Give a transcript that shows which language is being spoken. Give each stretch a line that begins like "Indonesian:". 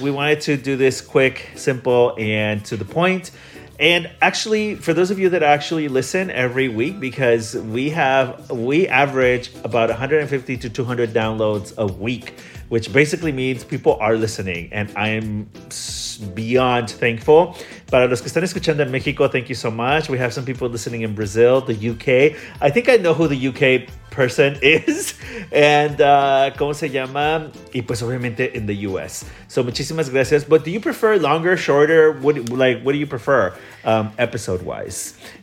English: We wanted to do this quick, simple, and to the point. And actually, for those of you that actually listen every week, because we average about 150 to 200 downloads a week, which basically means people are listening. And I am beyond thankful.
Spanish: Para los que están escuchando en México,
English: thank you so much. We have some people listening in Brazil, the UK. I think I know who the UK person is.
Spanish: And, ¿cómo se llama? Y pues obviamente
English: in the US. So,
Spanish: muchísimas gracias.
English: But do you prefer longer, shorter? What do you prefer episode-wise?